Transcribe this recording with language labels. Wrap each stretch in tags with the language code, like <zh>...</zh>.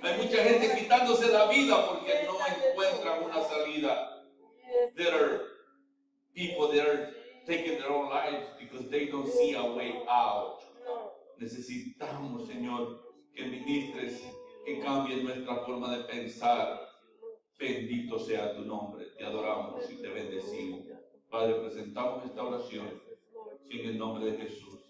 <es>Hay mucha gente quitándose la vida porque no encuentran una salida.</es> <en>There are people that are taking their own lives because they don't see a way out.</en> <es>Necesitamos, Señor, que ministres, que cambie nuestra forma de pensar. Bendito sea tu nombre. Te adoramos y te bendecimos. Padre, presentamos esta oración en el nombre de Jesús.</es>